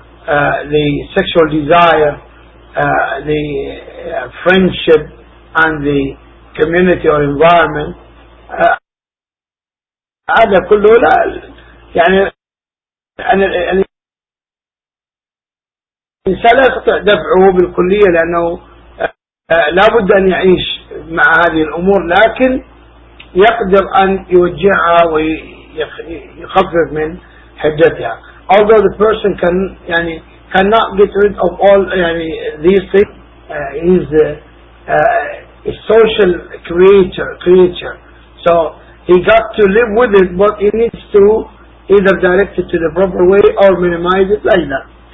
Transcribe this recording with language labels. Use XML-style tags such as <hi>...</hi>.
<en>the sexual desire, the friendship, and the community or environment.</en> <ar>هذا كله لا يعني أنا الإنسان لا يستطيع دفعه بالكلية لأنه لا بد أن يعيش مع هذه الأمور، لكن يقدر أن يوجعها ويخفف من حدتها.</ar> <en>Although the person can يعني cannot get rid of all يعني these things, he's a social creature. So he got to live with it, but he needs to either direct it to the proper way or minimize it like that.</en>